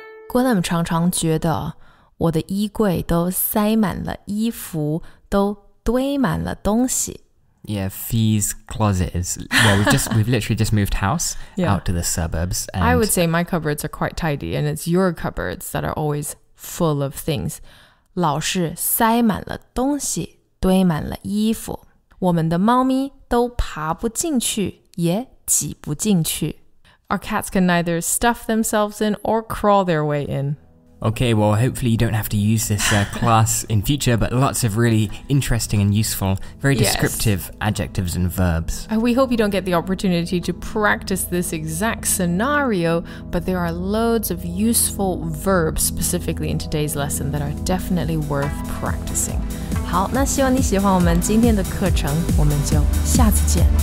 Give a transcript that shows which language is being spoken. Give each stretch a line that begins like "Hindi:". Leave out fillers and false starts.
Chinese: Gwilym 常常觉得我的衣柜都塞满了衣服，都堆满了东西。
English: Yeah, Fee's closet is... Well, we've literally just moved house out to the suburbs. And I would say my cupboards are quite tidy, and it's your cupboards that are always full of things.
Chinese: 老是塞满了东西，堆满了衣服。我们的猫咪都爬不进去，也挤不进去。
English: Our cats can neither stuff themselves in or crawl their way in. Okay, well, hopefully you don't have to use this class in future, but lots of really interesting and useful, very descriptive adjectives and verbs. We hope you don't get the opportunity to practice this exact scenario, but there are loads of useful verbs specifically in today's lesson that are definitely worth practicing.
Chinese: 好，那希望你喜欢我们今天的课程，我们就下次见，